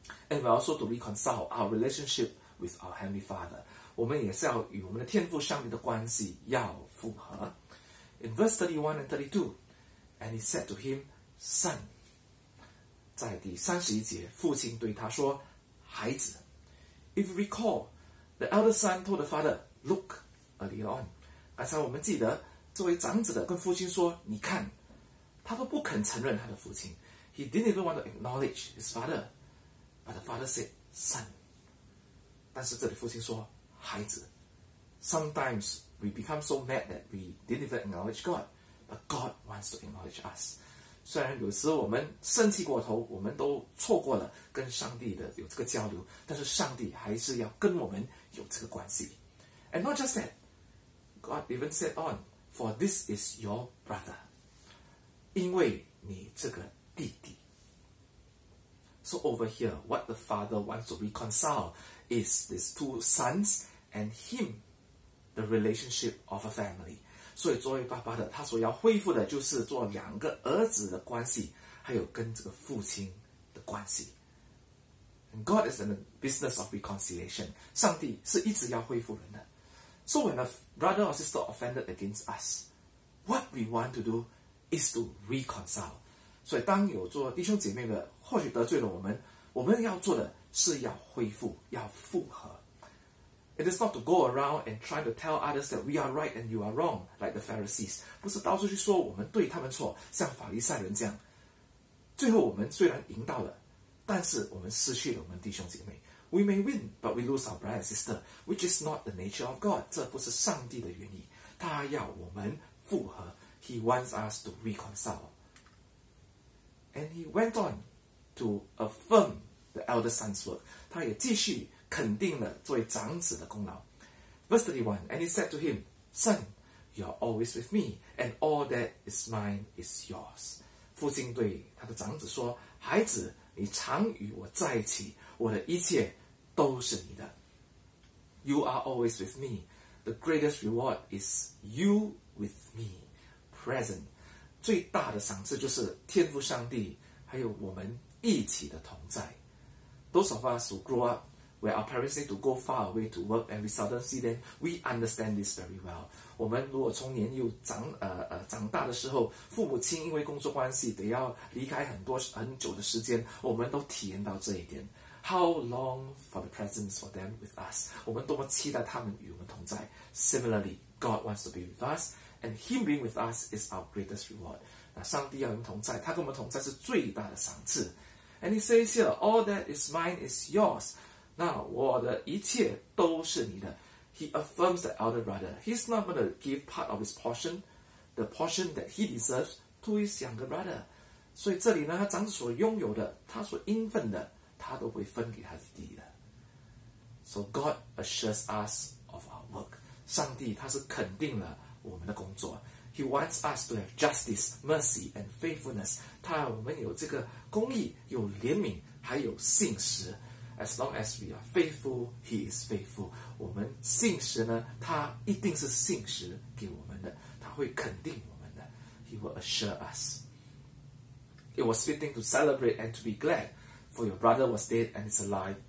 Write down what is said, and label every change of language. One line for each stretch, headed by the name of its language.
English: And we also to reconcile our relationship with our heavenly father.
Chinese: 我们也是要与我们的天父上帝的关系要复合。
English: In verse 31 and 32,And he said to him, Son,
Chinese: 在第三十一节，父亲对他说，孩子。
English: If you recall, the elder son told the father, Look, earlier on.
Chinese: 刚才我们记得，作为长子的跟父亲说，你看。他都不肯承认他的父亲。
English: He didn't even want to acknowledge his father. But the father said, Son.
Chinese: 但是这里父亲说，孩子。
English: Sometimes we become so mad that we didn't even acknowledge God. But God wants to acknowledge us.
Chinese: 虽然有时我们生气过头，我们都错过了跟上帝的有这个交流，但是上帝还是要跟我们有这个关系。
English: And not just that, God even said on, for this is your brother.
Chinese: 因为你这个弟弟。
English: So over here, what the father wants to reconcile is these two sons and him, the relationship of a family.
Chinese: 所以作为爸爸的他所要恢复的就是做两个儿子的关系还有跟这个父亲的关系。
English: And God is in the business of reconciliation.
Chinese: 上帝是一直要恢复人的。
English: So when a brother or sister offended against us, what we want to do is to reconcile.
Chinese: 所以当有做弟兄姐妹的或许得罪了我们，我们要做的是要恢复，要复合。
English: It is not to go around and try to tell others that we are right and you are wrong, like the Pharisees.
Chinese: 不是到处去说我们对他们错，像法利赛人这样。最后我们虽然赢到了，但是我们失去了我们弟兄姐妹。
English: We may win, but we lose our brother and sister, which is not the nature of God.
Chinese: 这不是上帝的原意。他要我们复合。
English: He wants us to reconcile. And he went on to affirm the elder son's work.
Chinese: 他也继续肯定了作为长子的功劳。
English: Verse 31, and he said to him, Son, you are always with me, and all that is mine is yours.
Chinese: 父亲对他的长子说，孩子，你常与我在一起，我的一切都是你的。
English: You are always with me. The greatest reward is you with me, present.
Chinese: 最大的赏赐就是天父上帝，还有我们一起的同在。
English: Those of us who grow up,Where our parents need to go far away to work and we seldom see them, we understand this very well.
Chinese: 我们如果从年幼 长大的时候，父母亲因为工作关系得要离开很久的时间，我们都体验到这一点。
English: How long for the presence for them with us?
Chinese: 我们多么期待他们与我们同在。
English: Similarly, God wants to be with us, and Him being with us is our greatest reward.
Chinese: 那上帝要与我们同在，他跟我们同在是最大的赏赐。
English: And He says here, All that is mine is yours.
Chinese: 那我的一切都是你的
English: he affirms the elder brother. He's not going to give part of his portion, the portion that he deserves, to his younger brother.
Chinese: 所以这里呢, 他长子所拥有的, 他所应分的, 他都会分给他的弟弟的。
English: So God assures us of our work.
Chinese: 上帝他是肯定了我们的工作。
English: He wants us to have justice, mercy, and faithfulness.
Chinese: 他要我们有这个公义,有怜悯,还有信实。
English: As long as we are faithful, He is faithful.
Chinese: 我们信实呢, 他一定是信实给我们的, 他会肯定我们的。
English: He will assure us. It was fitting to celebrate and to be glad, for your brother was dead and is alive.